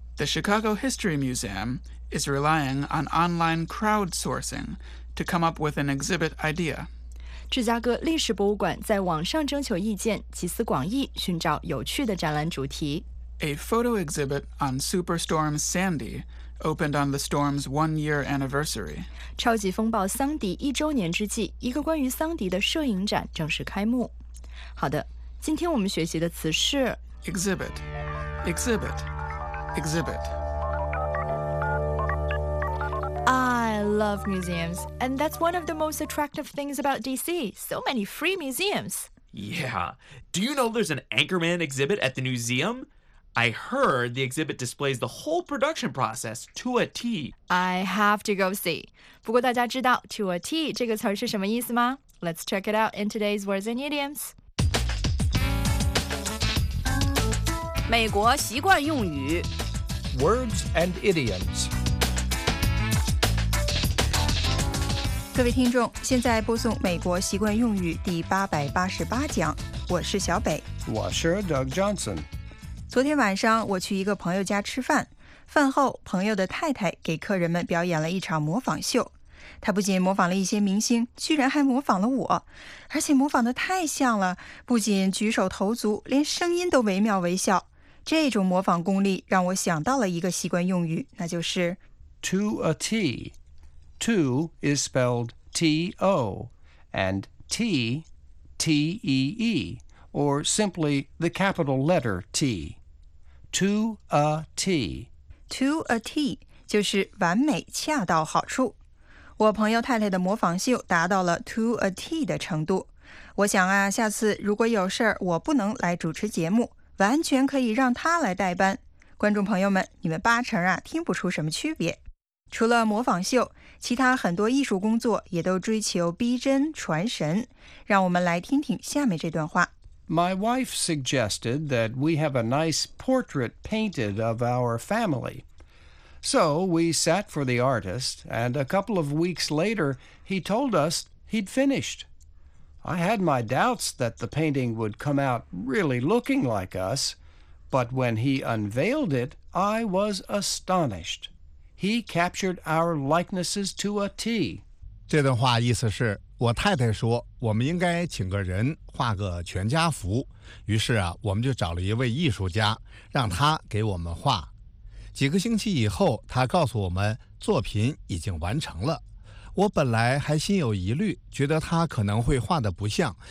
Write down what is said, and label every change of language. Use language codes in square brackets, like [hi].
[en] The Chicago History Museum is relying on online crowdsourcing to come up with an exhibit idea. [zh] 芝加哥历史博物馆在网上征求意见，集思广益，寻找有趣的展览主题。 [en] A photo exhibit on Superstorm Sandy opened on the storm's one-year anniversary. [zh] 超级风暴桑迪一周年之际，一个关于桑迪的摄影展正式开幕。好的，今天我们学习的词是 [en] exhibit, exhibit, exhibit. I love museums, and that's one of the most attractive things about DC. So many free museums. Yeah. Do you know there's an Anchorman exhibit at the museum? I heard the exhibit displays the whole production process to a T. I have to go see. [zh] 不过大家知道 to a T 这个词是什么意思吗? [en] Let's check it out in today's Words and Idioms. [zh] 美国习惯用语 [en] Words and Idioms. [zh] 各位听众，现在播送美国习惯用语第888讲，我是小北，我是 Doug Johnson。昨天晚上我去一个朋友家吃饭，饭后朋友的太太给客人们表演了一场模仿秀，她不仅模仿了一些明星，居然还模仿了我，而且模仿得太像了，不仅举手投足，连声音都惟妙惟肖。这种模仿功力让我想到了一个习惯用语，那就是 [en] To a T。 To is spelled T-O, and T, T-E-E, or simply the capital letter T. To a T. [zh] To a T 就是完美恰到好处。我朋友太太的模仿秀达到了 to a T 的程度。我想啊，下次如果有事儿我不能来主持节目，完全可以让她来代班。观众朋友们，你们八成啊，听不出什么区别。除了模仿秀，其他很多艺术工作也都追求逼真传神。让我们来听听下面这段话。 [en] My wife suggested that we have a nice portrait painted of our family. So we sat for the artist, and a couple of weeks later, he told us he'd finished. I had my doubts that the painting would come out really looking like us, but when he unveiled it, I was astonished. He captured our likenesses to a T. [zh] 这段话意思是，我太太说，我们应该请个人画个全家福。于是啊，我们就找了一位艺术家，让他给我们画。几个星期以后，他告诉我们作品已经完成了。我本来还心有疑虑，觉得他可能会画得不像。